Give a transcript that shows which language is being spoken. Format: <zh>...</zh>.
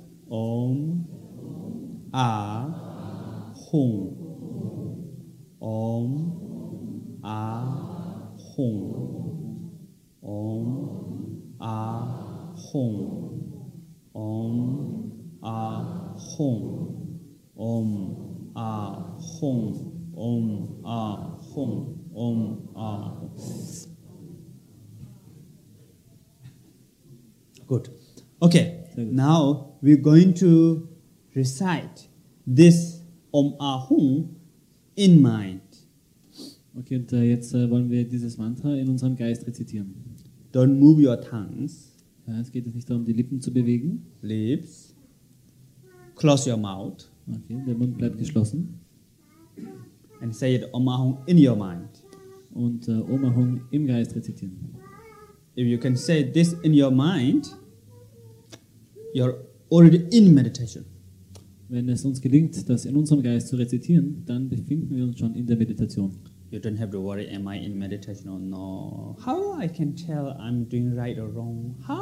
<sa>Om. A hum om a hum om a hum om a hum om a hum om a hum om a</sa> <en>good. Okay, now we're going to recite this Om Ahum in mind.</en> <de>Okay, und jetzt wollen wir dieses Mantra in unserem Geist rezitieren.</de> <en>Don't move your tongues.</en> <de>Ja, es geht jetzt nicht darum, die Lippen zu bewegen.</de> <en>Lips. Close your mouth.</en> <de>Okay, der Mund bleibt geschlossen.</de> <en>And say it Om Ahum in your mind.</en> <de>Und Om Ahum im Geist rezitieren.</de> <en>If you can say this in your mind, you're already in meditation.</en> <de>Wenn es uns gelingt, das in unserem Geist zu rezitieren, dann befinden wir uns schon in der Meditation.</de> <en>You don't have to worry, am I in meditation or no? How I can tell I'm doing right or wrong?</en>